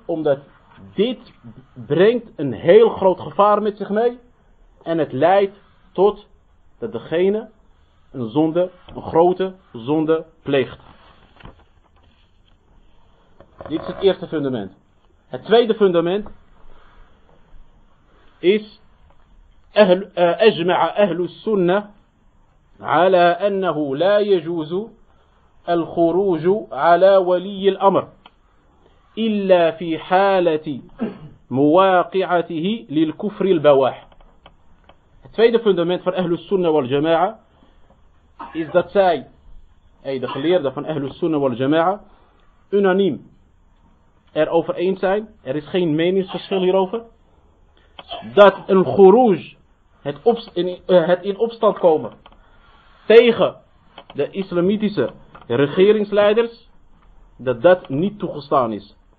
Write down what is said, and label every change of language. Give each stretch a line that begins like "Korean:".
Dutch: Omdat dit brengt een heel groot gevaar met zich mee. En het leidt tot dat degene een zonde, een grote zonde pleegt. Dit is het eerste fundament. Het tweede fundament is:
Arabic: أجمع أهل السنة على أنه لا يجوز الخروج على ولي الأمر إلا في حالة مواقعته للكفر البواح.
Dutch: Het tweede fundament van
Arabic: أهل السنة والجماعة
Dutch: is dat zij, أي de geleerde van أهل السنة والجماعة, unaniem erover eens zijn, er is geen meningsverschil hierover, dat een خروج, het in opstand komen tegen de islamitische regeringsleiders, dat niet toegestaan is.